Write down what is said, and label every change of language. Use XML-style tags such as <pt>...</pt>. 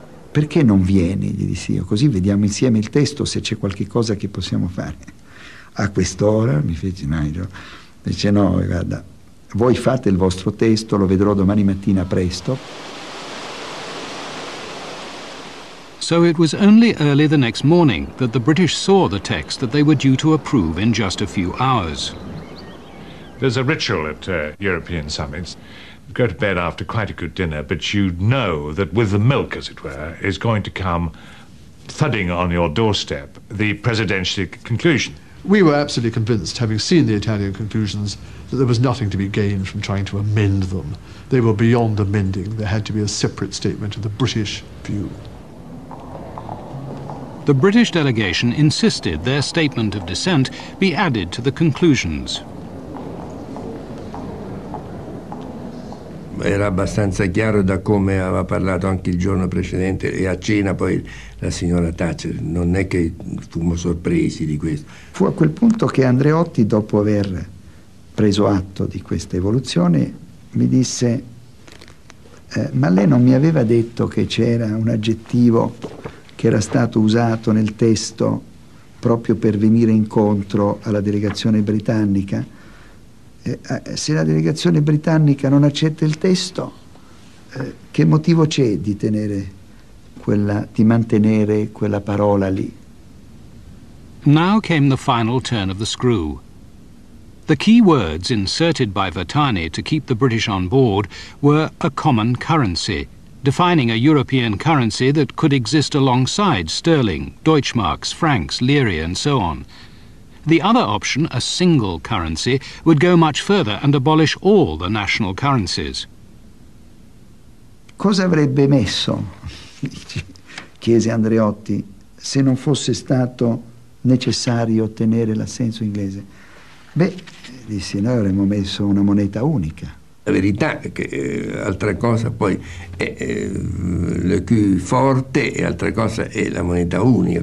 <it>Perché non vieni? Gli dissi io, così vediamo insieme il testo se c'è qualche cosa che possiamo fare. A quest'ora, mi fece Nigel, dice: no, guarda, voi fate il vostro testo, lo vedrò domani mattina presto.</it> <en>So it was only early the next morning that the British saw the text that they were due to approve in just a few hours. There's a ritual at European summits. You go to bed after quite a good dinner, but you know that with the milk, as it were, is going to come thudding on your doorstep, the presidential conclusion. We were absolutely convinced, having seen the Italian conclusions, that there was nothing to be gained from trying to amend them. They were beyond amending. There had to be a separate statement of the British view. The British delegation insisted their statement of dissent be added to the conclusions.</en> <it>Era abbastanza chiaro da come aveva parlato anche il giorno precedente e a cena poi la signora Thatcher. Non è che fummo sorpresi di questo. Fu a quel punto che Andreotti, dopo aver preso atto di questa evoluzione, mi disse: ma lei non mi aveva detto che c'era un aggettivo che era stato usato nel testo proprio per venire incontro alla delegazione britannica? Se la delegazione britannica non accetta il testo, che motivo c'è di tenere quella, di mantenere quella parola lì?</it> <en>Now came the final turn of the screw. The key words inserted by Vertani to keep the British on board were a common currency, defining a European currency that could exist alongside sterling, Deutschmarks, francs, lire, and so on. The other option, a single currency, would go much further and abolish all the national currencies.</en> <it>Cosa avrebbe messo, chiese Andreotti, se non fosse stato necessario ottenere l'assenso inglese? Beh, disse, noi avremmo messo una moneta unica. La verità è che altra cosa poi è le più forte e altra cosa è la moneta unica.</it>